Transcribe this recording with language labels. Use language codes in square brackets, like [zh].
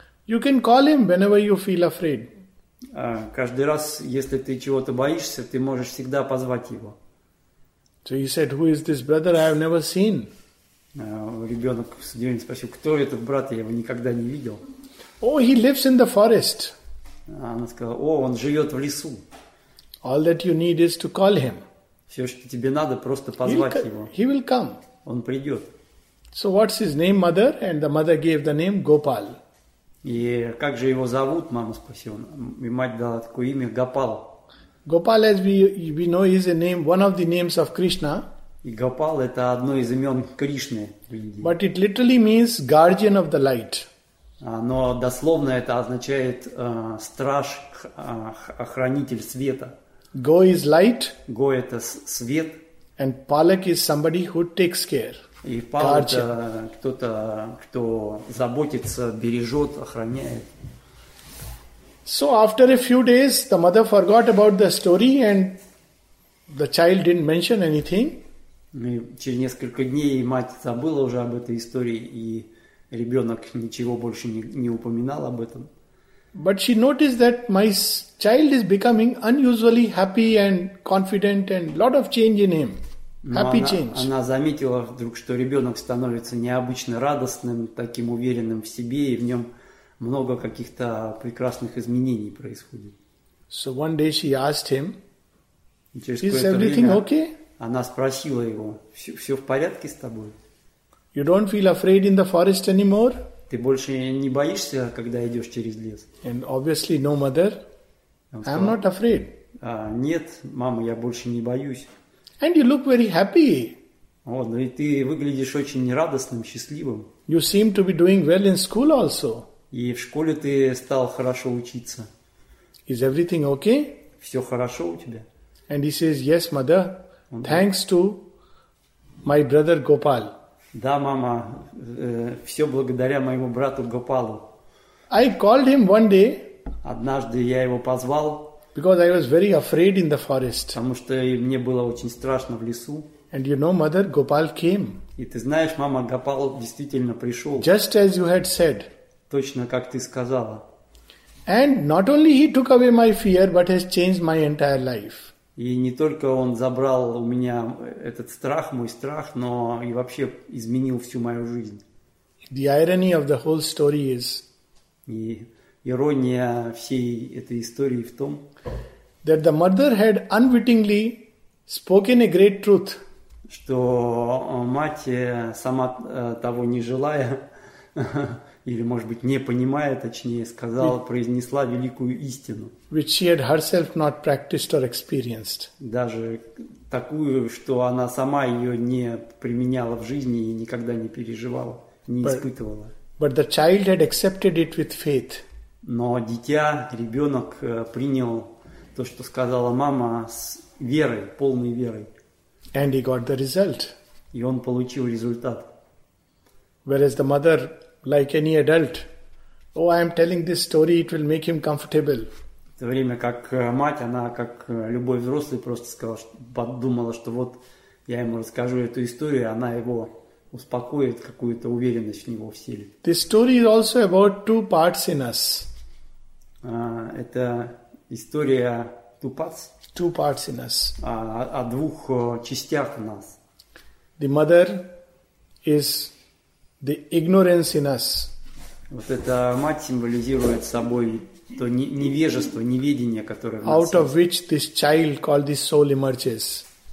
[en] You can call him whenever you feel afraid. [ru] Каждый раз, если ты чего-то боишься, ты можешь всегда позвать его. [en] So he said, "Who is this brother? I have never seen." [ru] Ребенок с удивлением спросил, кто этот брат? Я его никогда не видел. [en] Oh, he lives in the forest. [ru] Она сказала, о, он живет в лесу. [en] All that you need is to call him. [ru] Все, что тебе надо, просто позвать его. [en] He will come. [ru] Он придет. [en] So what's his name, mother? And the mother gave the name Gopal. [ru] И как же его зовут, мама спросила. И мать дала такое имя, Гопал. [en] Gopal, as we know, is a name, one of the names of Krishna. [ru] И Гопал – это одно из имен Кришны. [en] But it literally means guardian of the light. [ru] Но дословно это означает страж, охранитель света. [en] Go is light. [ru] Go – это свет. [en] And Palak is somebody who takes care. [ru] И Palak – это кто-то, кто заботится, бережет, охраняет. [en] So after a few days, the mother forgot about the story and the child didn't mention anything. [ru] И через несколько дней мать забыла уже об этой истории и ребенок ничего больше не упоминал об этом. [en] But she noticed that my child is becoming unusually happy and confident and lot of change in him. Happy change. [ru] Она заметила вдруг, что ребенок становится необычно радостным, таким уверенным в себе, и в нем много каких-то прекрасных изменений происходит. [en] So one day she asked him, is everything okay? [ru] Она спросила его, все в порядке с тобой? [en] You don't feel afraid in the forest anymore? [ru] Ты больше не боишься, когда идешь через лес? [en] And obviously, no, mother. I'm not afraid. [ru] Нет, мама, я больше не боюсь. [en] And you look very happy. [ru] Ну и ты выглядишь очень радостным, счастливым. [en] You seem to be doing well in school also. [ru] И в школе ты стал хорошо учиться. [en] Is everything okay? [ru] Все хорошо у тебя? [en] And he says, yes, mother. Thanks to my brother Gopal. [ru] Да, мама, все благодаря моему брату Гопалу. [en] I called him one day. [ru] Однажды я его позвал. [en] Because I was very afraid in the forest. [ru] Потому что мне было очень страшно в лесу. [en] And you know, mother, Gopal came. [ru] И ты знаешь, мама, Гопал действительно пришел. [en] Just as you had said. [ru] Точно как ты сказала. [en] And not only he took away my fear, but has changed my entire life. [ru] И не только он забрал у меня этот страх, мой страх, но и вообще изменил всю мою жизнь. [en] The irony of the whole story is, [ru] и ирония всей этой истории в том, [en] that the mother had unwittingly spoken a great truth, [ru] что мать, сама того не желая, или, может быть, не понимая, точнее, сказала, произнесла великую истину. [en] Which she had herself not practiced or experienced. [ru] Даже такую, что она сама ее не применяла в жизни и никогда не переживала, не испытывала. [en] But the child had accepted it with faith. [ru] Но дитя, ребенок принял то, что сказала мама, с верой, полной верой. [en] And he got the result. [ru] И он получил результат. [en] Whereas the mother, like any adult, oh, I am telling this story, it will make him comfortable. [ru] В то время как мать, она как любой взрослый просто сказала, подумала, что вот я ему расскажу эту историю, она его успокоит, какую-то уверенность в него вселит. [en] This story is also about two parts in us. [ru] Это история [en] two parts. Two parts in us. [ru] О двух частях в нас. [en] The mother is the ignorance in us. [ru] Вот эта мать символизирует собой то невежество, неведение, которое в нас. [en] Out of which this child called the soul emerges.